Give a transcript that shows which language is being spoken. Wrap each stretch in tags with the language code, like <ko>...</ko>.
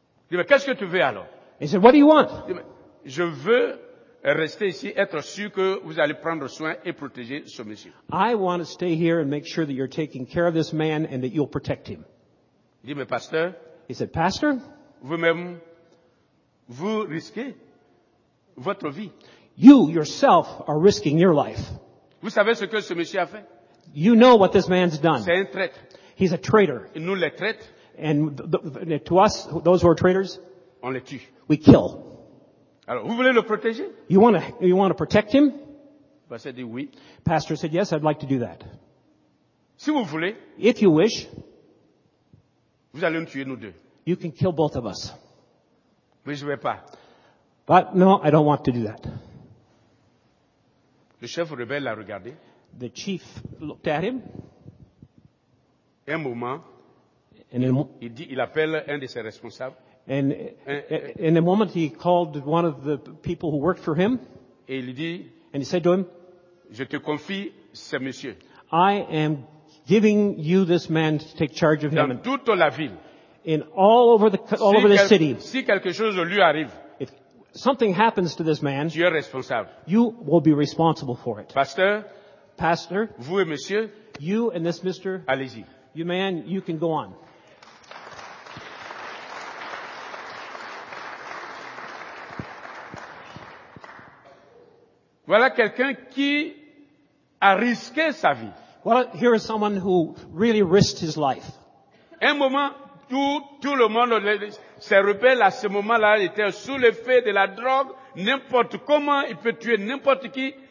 <fr>Il dit mais qu'est-ce que tu veux alors?</fr> <en>He said what do you want?</en> <fr>Il dit, je veux rester ici, être sûr que vous allez prendre soin et protéger ce monsieur.</fr> <en>I want to stay here and make sure that you're taking care of this man and that you'll protect him.</en> <fr>Il dit mais pasteur.</fr> <en>He said pastor.</en> <fr>Vous-même, vous risquez votre vie.</fr> <en>You yourself are risking your life.</en> <fr>Vous savez ce que ce monsieur a fait?</fr> <en>You know what this man's done.</en> <fr>C'est un traître.</fr> <en>He's a traitor.</en> <fr>Et nous les traîtres,</fr> <en>and to us, those who are traitors,</en> <fr>on les tue.</fr> <en>We kill.</en> <fr>Alors, vous voulez le protéger?</fr> <en>You want to protect him?</en> <fr>Pastor dit oui.</fr> <en>Pastor said, yes, I'd like to do that.</en> <fr>Si vous voulez,</fr> <en>if you wish,</en> <fr>vous allez nous tuer, nous deux.</fr> <en>You can kill both of us.</en> <fr>Mais je vais pas.</fr> <en>But no, I don't want to do that.</en> <fr>Le chef rebelle l'a regardé.</fr> <en>The chief looked at him.</en> <fr>Un moment, il appelle un de ses responsables.</fr> <en>And in a moment, he called one of the people who worked for him.</en> <fr>Et il dit,</fr> <en>and he said to him,</en> <fr>je te confie ce monsieur.</fr> <en>I am giving you this man to take charge of</en> <fr>dans</fr> <en>him.</en> <fr>Dans toute la ville.</fr> <en>In all over the all</en> <fr>si</fr> <en>over the city.</en> <fr>Si quelque chose lui arrive.</fr> <en>Something happens to this man.</en> <fr>Tu es responsable.</fr> <en>You will be responsible for it.</en> <fr>Pastor. Vous et monsieur.</fr> <en>You and this mister.</en> <fr>Allez-y.</fr> <en>You man, you can go on.</en> <fr>Voilà quelqu'un qui a risqué sa vie.</fr> <en>Well, here is someone who really risked his life.</en> <fr>Un moment. Tout le monde se rebelle à ce moment-là. Il était sous l'effet de la drogue. N'importe comment, il peut tuer n'importe qui.</fr>